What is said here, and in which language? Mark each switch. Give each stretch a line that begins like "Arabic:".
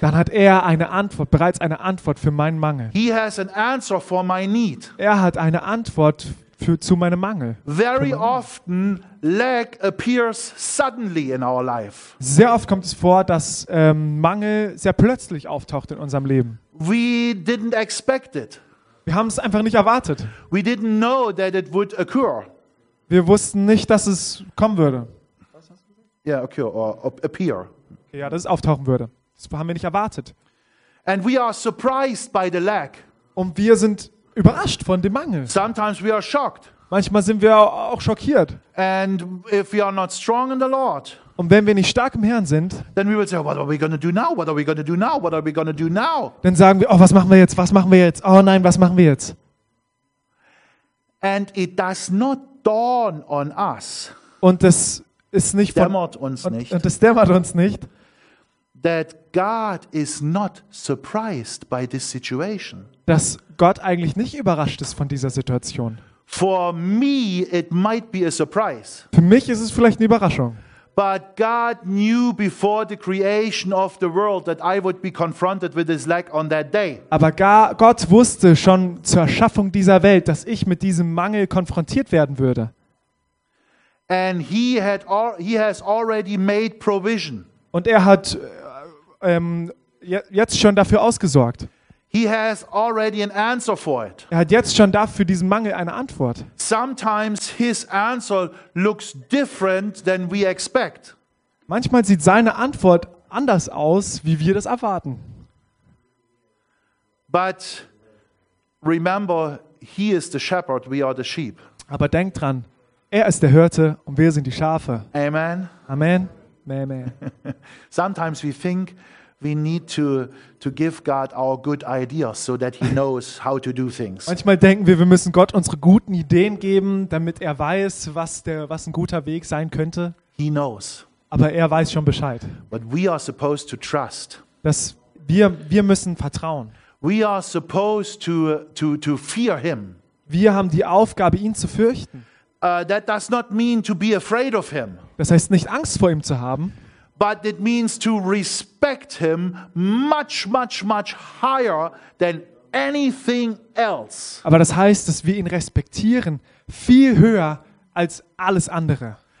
German: Dann hat er bereits eine Antwort für meinen Mangel.
English: He has an answer for my need.
German: Er hat eine Antwort zu meinem Mangel.
English: Very often lack appears suddenly in our life.
German: Sehr oft kommt es vor, dass Mangel sehr plötzlich auftaucht in unserem Leben.
English: We didn't expect it.
German: Wir haben es einfach nicht erwartet.
English: We didn't know that it would occur.
German: Wir wussten nicht, dass es kommen würde. Was
English: Yeah, occur or appear.
German: Okay, ja, dass es auftauchen würde. Das haben wir nicht erwartet.
English: And we are surprised by the lack.
German: Und wir sind überrascht von dem Mangel.
English: Sometimes we are shocked.
German: Manchmal sind wir auch schockiert.
English: And if we are not strong in the Lord.
German: Und wenn wir nicht stark im Herrn sind,
English: then we will say, what are we going to do now? What are we going to do now? What are we going to do now?
German: Dann sagen wir, oh, was machen wir jetzt? Was machen wir jetzt? Oh nein, was machen wir jetzt?
English: And it does not dawn on us.
German: Und es ist nicht dämmert uns nicht. Und es dämmert uns nicht.
English: That God is not surprised by this situation.
German: Dass Gott eigentlich nicht überrascht ist von dieser Situation.
English: For me it might be a surprise.
German: Für mich ist es vielleicht eine Überraschung.
English: But God knew before the creation of the world that I would be confronted with this lack on that day.
German: Aber Gott wusste schon zur Erschaffung dieser Welt, dass ich mit diesem Mangel konfrontiert werden würde.
English: And he has already made provision.
German: Und er hat jetzt schon dafür ausgesorgt.
English: He has already an answer for it.
German: Er hat jetzt schon dafür diesen Mangel eine Antwort.
English: Sometimes his answer looks different than we expect.
German: Manchmal sieht seine Antwort anders aus, wie wir das erwarten.
English: But remember, he is the shepherd, we are the sheep.
German: Aber denk dran, er ist der Hirte und wir sind die Schafe.
English: Amen.
German: Amen. Amen.
English: Sometimes we think we need to give God our good ideas so that he knows how to do things.
German: Manchmal denken wir müssen Gott unsere guten Ideen geben, damit er weiß, was ein guter Weg sein könnte.
English: He knows.
German: Aber er weiß schon Bescheid.
English: But we are supposed to trust.
German: Dass wir müssen vertrauen.
English: We are supposed to fear him.
German: Wir haben die Aufgabe, ihn zu fürchten.
English: That does not mean to be afraid of him.
German: Das heißt nicht Angst vor ihm zu haben.
English: But it means to respect him much, much, much higher than anything else.
German: Aber das heißt, dass wir ihn respektieren viel höher als alles andere.